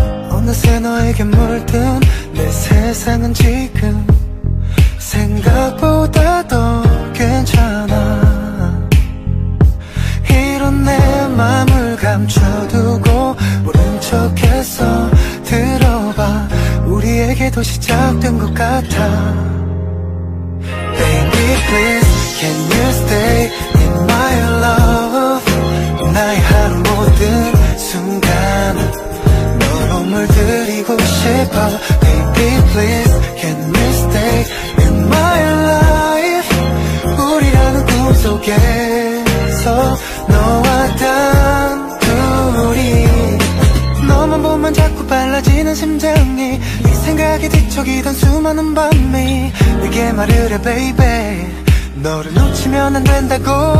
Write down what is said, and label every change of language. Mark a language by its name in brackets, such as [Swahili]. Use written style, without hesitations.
[Korean] 어느새 너에게 물든 내 세상은 지금 생각보다 더 괜찮아. 이런 내 맘을 감춰두고 모른 척해서 들어봐. 우리에게도 시작된 것 같아. [English] Baby please can you stay in my love. [Korean] 나의 하루 모든 순간 너로 물들이고 싶어. [English] Baby please can you stay in my life. [Korean] 우리라는 꿈속에서 너와 단둘이. 너만 보면 자꾸 빨라지는 심장이 이 생각에 뒤척이던 수많은 밤이 내게 말을 해. Baby 너를 놓치면 안 된다고.